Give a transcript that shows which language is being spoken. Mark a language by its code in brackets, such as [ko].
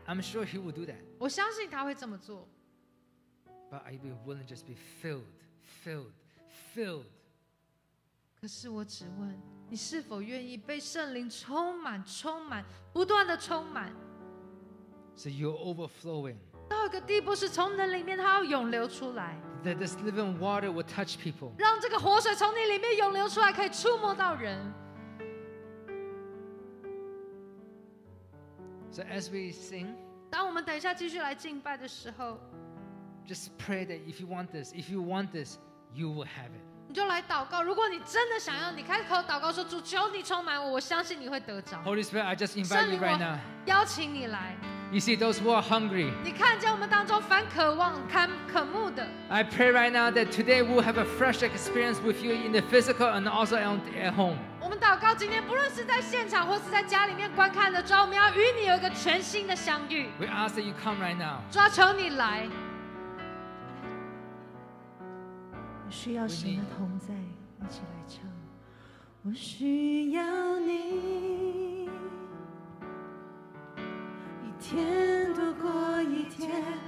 [en] I'm sure he will do that. [zh] 我相信他会这么做。 [en] But are you willing to just be filled, filled, filled? [zh] 可是我只问。你是否愿意被圣灵充满，充满，不断的充满 [en] ？So you're overflowing. [zh] 到一个地步是从你的里面它要涌流出来。 [en] That this living water will touch people. [zh] 让这个活水从你里面涌流出来，可以触摸到人。 [en] So as we sing, [zh] 当我们等一下继续来敬拜的时候 [en] ，Just pray that if you want this, if you want this, you will have it. [zh] 你就来祷告，如果你真的想要，你开口祷告说，主求你充满我，我相信你会得着。 [en] Holy Spirit, I just invite you right now. [zh] 邀请你来。 [en] You see those who are hungry. [zh] 你看见我们当中凡渴望、堪渴慕的。 [en] I pray right now that today we'll have a fresh experience with you in the physical and also at home. [zh] 我们祷告今天不论是在现场或是在家里面观看的主，我们要与你有一个全新的相遇。 [en] We ask that you come right now. [zh] 主要求你来。我需要神的同在，一起来唱。我需要你，一天度过一天。